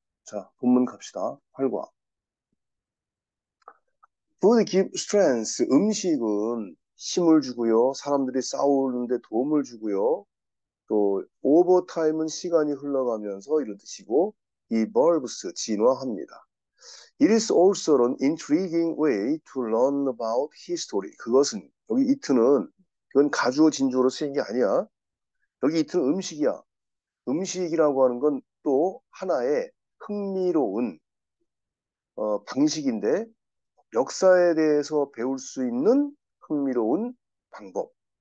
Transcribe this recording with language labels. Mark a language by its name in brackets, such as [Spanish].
[Korean] 자, 본문 갑시다. 활과. [English] food give strength, [Korean] 음식은 힘을 주고요. 사람들이 싸우는데 도움을 주고요. 또 오버타임은 시간이 흘러가면서 이런 뜻이고, evolves 진화합니다. [English] It is also an intriguing way to learn about history. [Korean] 그것은 여기 it는 그건 가주어 진주어로 쓰인 게 아니야. 여기 it은 음식이야. 음식이라고 하는 건또 하나의 흥미로운 방식인데 역사에 대해서 배울 수 있는 흥미로운 방법.